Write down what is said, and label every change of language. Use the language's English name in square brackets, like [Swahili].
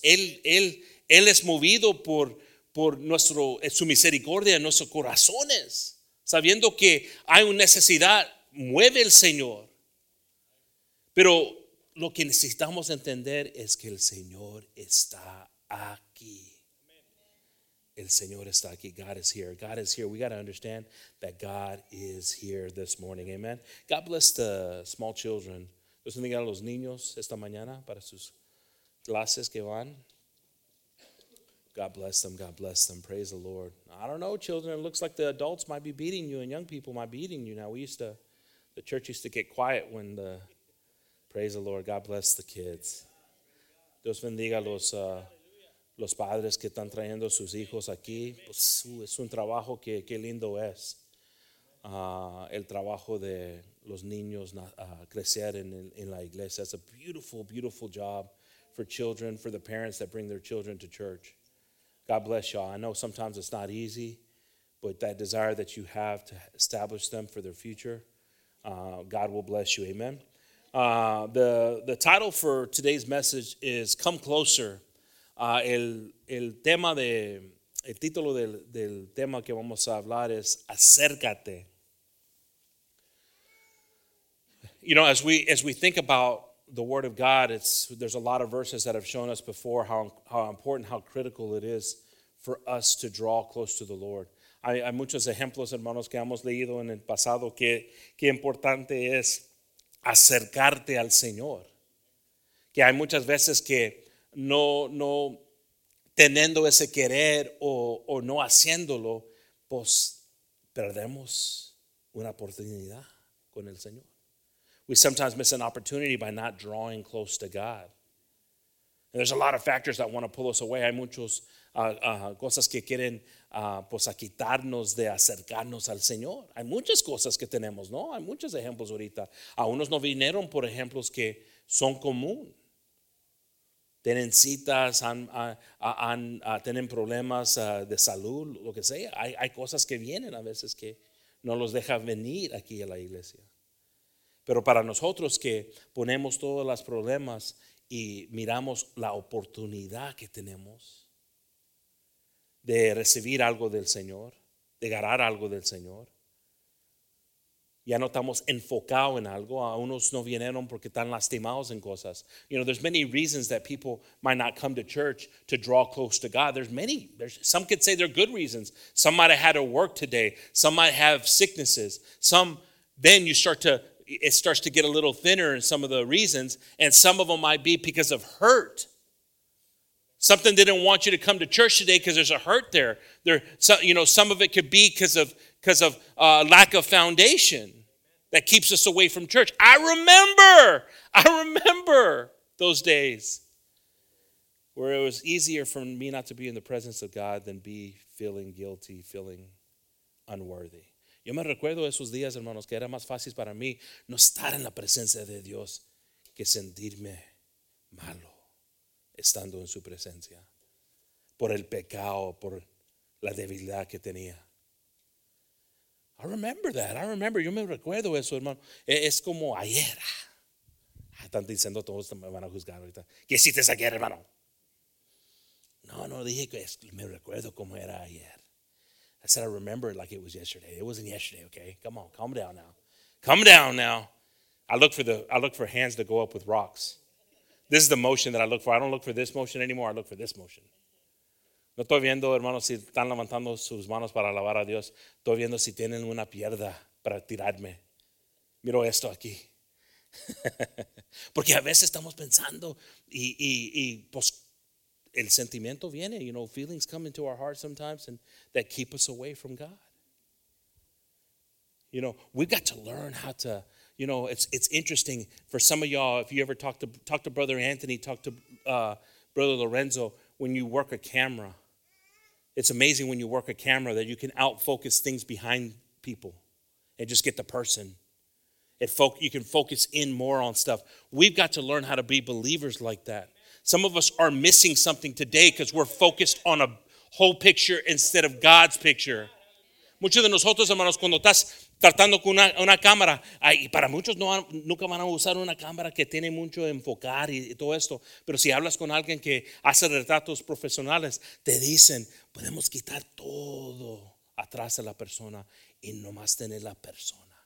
[Spanish] Él es movido por su misericordia en nuestros corazones, sabiendo que hay una necesidad, mueve el Señor. Pero lo que necesitamos entender es que el Señor está aquí. El Señor está aquí. [English] God is here. God is here. We got to understand that God is here this morning. Amen. God bless the small children. [Spanish] Dios bendiga a los niños esta mañana para sus clases que van. [English] God bless them. God bless them. Praise the Lord. I don't know, children. It looks like the adults might be beating you and young people might be beating you. Now, the church used to get quiet when the, praise the Lord. God bless the kids. [Spanish] Dios bendiga a los los padres que están trayendo sus hijos aquí, pues, es un trabajo que lindo es. El trabajo de los niños crecer en la iglesia. [English] It's a beautiful, beautiful job for children, for the parents that bring their children to church. God bless y'all. I know sometimes it's not easy, but that desire that you have to establish them for their future, God will bless you. Amen. The title for today's message is Come Closer. [Spanish] El título del tema que vamos a hablar es Acércate. [English] You know, as we think about the Word of God, there's a lot of verses that have shown us before how important, how critical it is for us to draw close to the Lord. [Spanish] Hay muchos ejemplos, hermanos, que hemos leído en el pasado que importante es acercarte al Señor. Que hay muchas veces que no teniendo ese querer o no haciéndolo, pues perdemos una oportunidad con el Señor. [English] We sometimes miss an opportunity by not drawing close to God. And there's a lot of factors that want to pull us away. [Spanish] Hay muchos cosas que quieren pues a quitarnos de acercarnos al Señor. Hay muchas cosas que tenemos, ¿no? Hay muchos ejemplos ahorita. A unos no vinieron por ejemplos que son común. Tienen citas, tienen problemas de salud, lo que sea. Hay cosas que vienen a veces que no los deja venir aquí a la iglesia. Pero para nosotros que ponemos todos los problemas y miramos la oportunidad que tenemos de recibir algo del Señor, de ganar algo del Señor, ya no estamos enfocados en algo. A unos no vinieron porque están lastimados en cosas. [English] You know, there's many reasons that people might not come to church to draw close to God. There's many. Some could say they're good reasons. Some might have had to work today. Some might have sicknesses. It starts to get a little thinner in some of the reasons. And some of them might be because of hurt. Something didn't want you to come to church today because there's a hurt there. Some of it could be because of lack of foundation that keeps us away from church. I remember those days where it was easier for me not to be in the presence of God than be feeling guilty, feeling unworthy. [Spanish] Yo me recuerdo esos días, hermanos, que era más fácil para mí no estar en la presencia de Dios que sentirme malo estando en su presencia por el pecado, por la debilidad que tenía. [English] I remember that. I remember. [Spanish] Yo me recuerdo eso, hermano. Es como ayer. Están diciendo todos me van a juzgar ahorita. ¿Qué hiciste ayer, hermano? No, no, dije que me recuerdo cómo era ayer. [English] I said I remember it like it was yesterday. It wasn't yesterday, okay? Come on, calm down now. Calm down now. I look for hands to go up with rocks. This is the motion that I look for. I don't look for this motion anymore. I look for this motion. [Spanish] No estoy viendo, hermanos, si están levantando sus manos para alabar a Dios. Estoy viendo si tienen una piedra para tirarme. Miro esto aquí. Porque a veces estamos pensando y pues el sentimiento viene, [English] you know, feelings come into our hearts sometimes and that keep us away from God. You know, we've got to learn how to, you know, it's interesting for some of y'all, if you ever talk to Brother Anthony, talk to Brother Lorenzo, when you work a camera, it's amazing when you work a camera that you can outfocus things behind people and just get the person. You can focus in more on stuff. We've got to learn how to be believers like that. Some of us are missing something today because we're focused on a whole picture instead of God's picture. [Spanish] Muchos de nosotros, hermanos, cuando estás tratando con una cámara, y para muchos nunca van a usar una cámara que tiene mucho enfocar y todo esto, pero si hablas con alguien que hace retratos profesionales, te dicen, podemos quitar todo atrás de la persona y nomás tener la persona.